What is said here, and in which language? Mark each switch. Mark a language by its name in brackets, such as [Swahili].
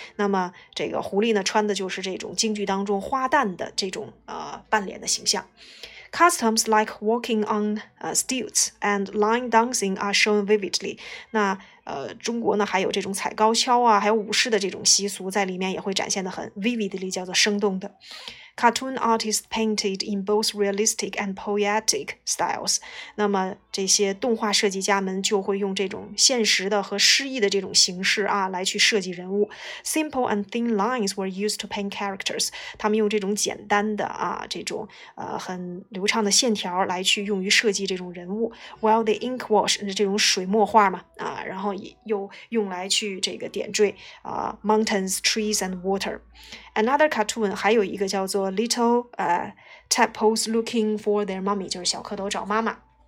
[Chinese] 那么这个狐狸呢穿的就是这种京剧当中花旦的这种扮脸的形象。 [English] Customs like walking on stilts and line dancing are shown vividly. [Chinese] 那中国呢还有这种踩高跷啊，还有武士的这种习俗在里面也会展现得很 vividly, 叫做生动的。 [English] Cartoon artists painted in both realistic and poetic styles. [Chinese] 那么这些动画设计家们就会用这种现实的和诗意的这种形式啊来去设计人物。 [English] Simple and thin lines were used to paint characters. [Chinese] 他们用这种简单的啊这种很流畅的线条来去用于设计这种人物。 [English] While the ink wash, [Chinese] 这种水墨画嘛然后又用来去这个点缀 [English] mountains, trees and water. Another cartoon, [Chinese] 还有一个叫做 Little Tadpoles Looking for Their Mommy, 就是小蝌蚪找妈妈。